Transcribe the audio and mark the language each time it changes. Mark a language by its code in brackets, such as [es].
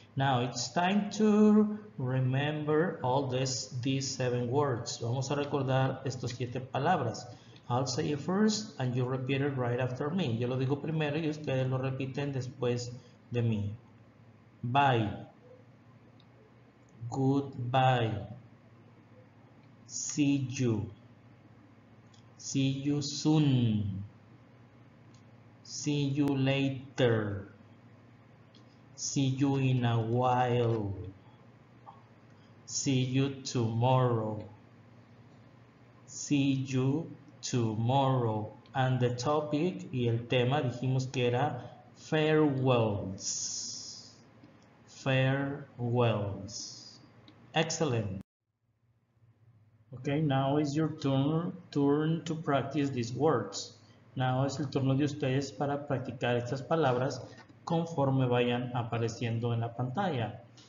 [en] Now it's time to remember all these seven words. [es] Vamos a recordar estos siete palabras. [en] I'll say it first and you repeat it right after me. [es] Yo lo digo primero y ustedes lo repiten después de mí. [en] Bye. Goodbye. See you. See you soon. See you later. See you in a while. See you tomorrow. See you tomorrow. And the topic [es] y el tema dijimos que era farewells. [en] Farewells. Excellent. Okay, now is your turn to practice these words. [es] Now es el turno de ustedes para practicar estas palabras conforme vayan apareciendo en la pantalla.